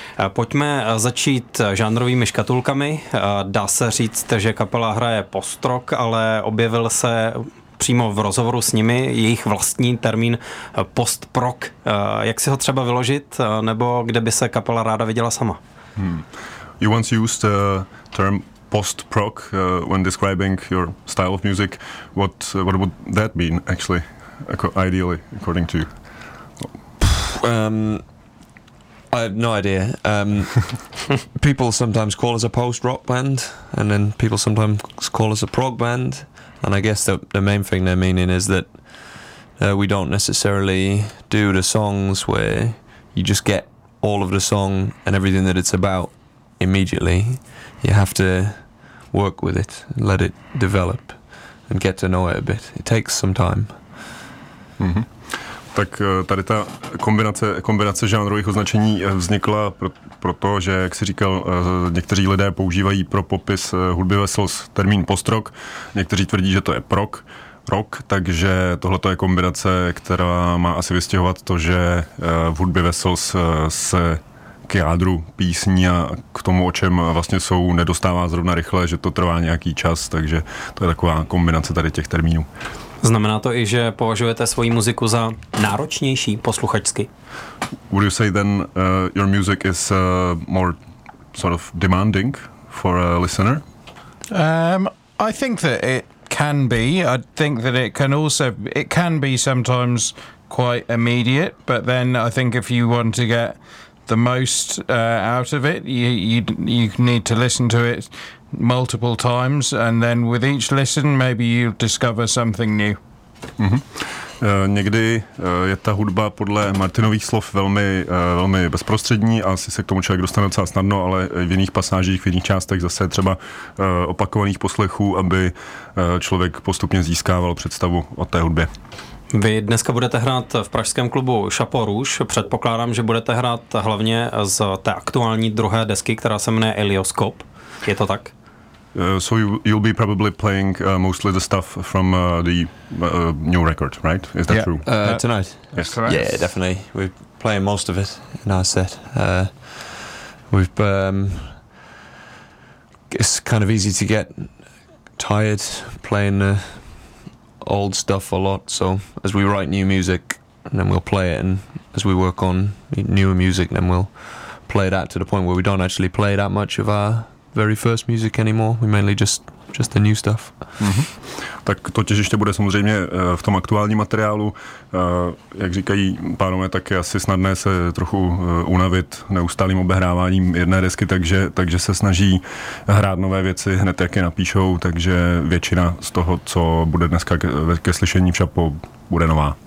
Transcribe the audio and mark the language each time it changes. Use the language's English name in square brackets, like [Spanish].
[Czech] Pojďme začít žánrovými škatulkami. Dá se říct, že kapela hraje post-rock, ale objevil se přímo v rozhovoru s nimi jejich vlastní termín post-prog. Jak si ho třeba vyložit, nebo kde by se kapela ráda viděla sama? [English] You once used the term post-prog when describing your style of music. What would that mean, actually, ideally, according to you? I have no idea. people sometimes call us a post-rock band, and then people sometimes call us a prog band. And I guess the main thing they're meaning is that we don't necessarily do the songs where you just get all of the song and everything that it's about immediately. You have to work with it, let it develop, and get to know it a bit. It takes some time. Mm-hmm. [Czech] Tak tady ta kombinace žánrových označení vznikla proto, že, jak jsi říkal, někteří lidé používají pro popis hudby Vessels termín post-rock, někteří tvrdí, že to je rock, takže tohleto je kombinace, která má asi vystěhovat to, že v hudbě Vessels se k jádru písní a k tomu, o čem vlastně jsou, nedostává zrovna rychle, že to trvá nějaký čas, takže to je taková kombinace tady těch termínů. Znamená to i, že považujete svoji muziku za náročnější posluchačsky? [English] Would you say then your music is more sort of demanding for a listener? I think that it can be. I think that it can be sometimes quite immediate, but then I think if you want to get the most out of it, you need to listen to it multiple times, and then with each listen, maybe you discover something new. Mm-hmm. [Czech] Někdy je ta hudba podle Martinových slov velmi, velmi bezprostřední a asi se k tomu člověk dostane docela snadno, ale v jiných pasážích, v jiných částech zase třeba opakovaných poslechů, aby člověk postupně získával představu o té hudbě. Vy dneska budete hrát v pražském klubu Chapeau Rouge. Předpokládám, že budete hrát hlavně z té aktuální druhé desky, která se jmenuje Elioscope. Je to tak? [English] So you'll be probably playing mostly the stuff from the new record, right? Is that true? Tonight. Yes. Yeah, definitely. We're playing most of it in our set. It's kind of easy to get tired playing the old stuff a lot. So as we write new music, then we'll play it, and as we work on newer music, then we'll play that to the point where we don't actually play that much of our very first music anymore. We mainly just the new stuff. Mm-hmm. [Czech] Tak to těžiště bude samozřejmě v tom aktuálním materiálu. Jak říkají pánové, tak je asi snadné se trochu unavit neustálým obehráváním jedné desky, takže se snaží hrát nové věci hned, jak je napíšou, takže většina z toho, co bude dneska ke slyšení v Chapeau, bude nová.